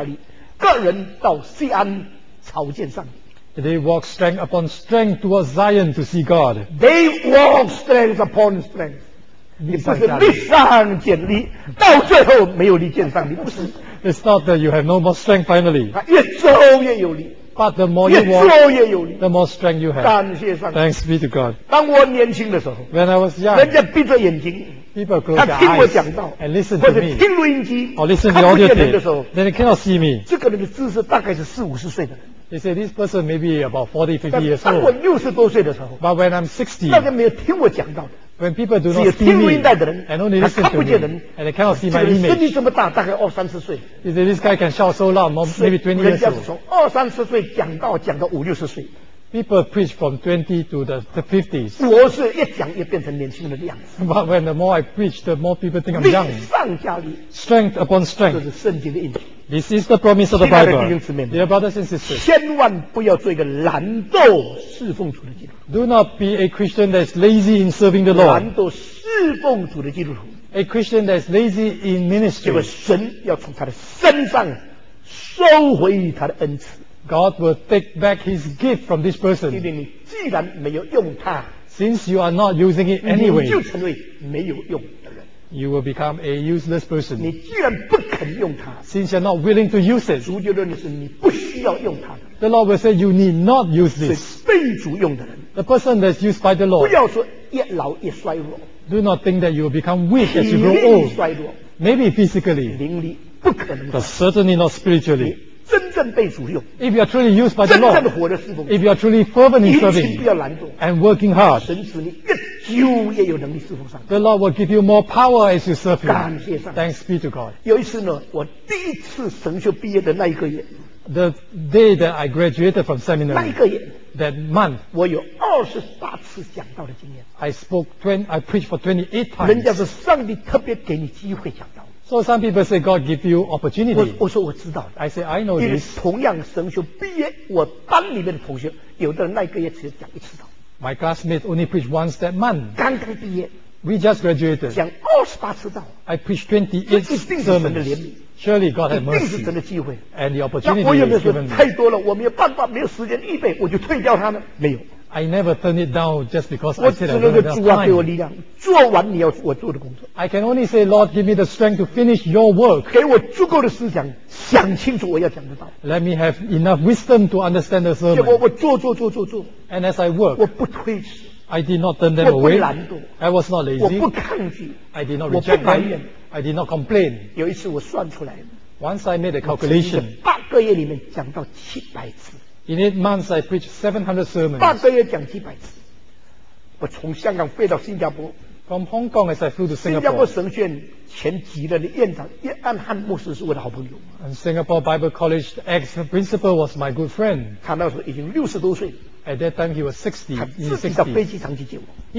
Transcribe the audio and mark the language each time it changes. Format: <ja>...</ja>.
<zh>他们行走力上加力,个人到西安朝见上帝。</zh> <en>They walk strength upon strength towards Zion to see God. They walk strength upon strength.</en> <zh>你不是力上减力,到最后没有力见上帝,不是。</zh> <en>It's not that you have no more strength finally.</en> <zh>越走越有力。</zh> <en>But the more you walk,</en> <zh>越做越有力,</zh> <en>the more strength you have.</en> <zh>感谢上帝。</zh> <en>Thanks be to God.</en> <zh>当我年轻的时候,</zh> <en>when I was young,</en> <zh>人家闭着眼睛,</zh> <en>people close their eyes and listen to me,</en> <zh>听录音机,</zh> <en>or listen to the audio tape, then they cannot see me.</en> <zh>这个人的姿势大概是40-50岁的人。</zh> <en>They say this person may be about 40-50 years old.</en> <zh>当我60多岁的时候,</zh> <en>but when I'm 60,</en> <zh>那些没有听我讲到的,</zh> <en>when people do not see me, and only listen to me, and they cannot see my image,</en> <zh>这个人声音这么大, 大概20-30岁,</zh> <en>they say this guy can shout so loud, maybe 20 years old.</en> <zh>人家是从20-30岁讲到50-60岁,</zh> <en>people preach from 20 to the 50s.</en> <zh>我是越讲越变成年轻人的样子。</zh> <en>But when the more I preach, the more people think I'm young.</en> <zh>力上加力,</zh> <en>strength upon strength.</en> <zh>这是圣经的应许。</zh> <en>This is the promise of the Bible.</en> <zh>亲爱的弟兄姊妹,</zh> <en>dear brothers and sisters,</en> <zh>千万不要做一个懒惰侍奉主的基督徒。</zh> <en>Do not be a Christian that is lazy in serving the Lord.</en> <zh>懒惰侍奉主的基督徒。</zh> <en>A Christian that is lazy in ministry.</en> <zh>结果神要从他的身上收回他的恩赐。</zh> <en>God will take back his gift from this person.</en> <zh>因为你既然没有用它,</zh> <en>since you are not using it anyway,</en> <zh>你就成为没有用的人,</zh> <en>you will become a useless person.</en> <zh>你既然不肯用它,</zh> <en>since you're not willing to use it,</en> <zh>主就认识你不需要用它的,</zh> <en>the Lord will say you need not use this.</en> <zh>是被主用的人,</zh> <en>the person that's used by the Lord.</en> <zh>不要说越老越衰弱,</zh> <en>do not think that you will become weak as you grow old.</en> <zh>体力衰弱,</zh> <en>maybe physically,</en> <zh>灵力不可能,</zh> <en>but certainly not spiritually.</en> <zh>真正被主用。</zh> <en>If you are truly used by the Lord,</en> <zh>真正活着侍奉。</zh> <en>If you are truly fervently serving,</en> <zh>你一心不要懒惰。</zh> <en>And working hard,</en> <zh>神使你越久越有能力侍奉上帝。</zh> <en>The Lord will give you more power as you serve Him.</en> <zh>感谢上帝。</zh> <en>Thanks be to God.</en> <zh>有一次呢，我第一次神学毕业的那一个月。</zh> <en>The day that I graduated from seminary,</en> <zh>那一个月。</zh> <en>That month,</en> <zh>我有二十八次讲道的经验。</zh> <en>I preached for 28 times.</en> <zh>人家说上帝特别给你机会讲道。</zh> <en>So some people say God give you opportunity.</en> <zh>我说我知道。</zh> <en>I say I know this.</en> <zh>因为同样神学毕业，我班里面的同学，有的人那一个月只讲一次道。</zh> <en>My classmates only preach once that month.</en> <zh>刚刚毕业。</zh> <en>We just graduated.</en> <zh>讲二十八次道。</zh> <en>I preach 28 sermons.</en> <zh>一定是</zh> <en>Surely God had mercy.</en> <zh>一定是真的机会。</zh> <en>And the opportunity is given.</en> <zh>那我有没有说太多了？我没有办法，没有时间预备，我就退掉他们？没有。</zh> <en>I never turn it down just because I said I don't have time.</en> <zh>我只能够主啊给我力量，做完你要我做的工作。</zh> <en>I can only say, Lord, give me the strength to finish your work.</en> <zh>给我足够的思想，想清楚我要讲的道。</zh> <en>Let me have enough wisdom to understand the sermon.</en> <zh>结果我做。</zh> <en>And as I work,</en> <zh>我不推迟。</zh> <en>I did not turn them away.</en> <zh>我不懒惰。</zh> <en>I was not lazy.</en> <zh>我不抗拒。</zh> <en>I did not reject them. I did not complain.</en> <zh>有一次我算出来。</zh> <en>Once I made a calculation.</en> <zh>八个月里面讲到七百次。</zh> <en>In 8 months, I preached 700 sermons.</en> <zh>八个月讲七百次。我从香港飞到新加坡。</zh> <en>From Hong Kong, as I flew to Singapore.</en> <zh>新加坡神学院前级的院长叶安汉牧师是我的好朋友。</zh> <en>And Singapore Bible College ex principal was my good friend.</en> <zh>他那时候已经六十多岁。</zh> <en>At that time he was 60.</en> <zh>他自己到飞机场去接我。</zh>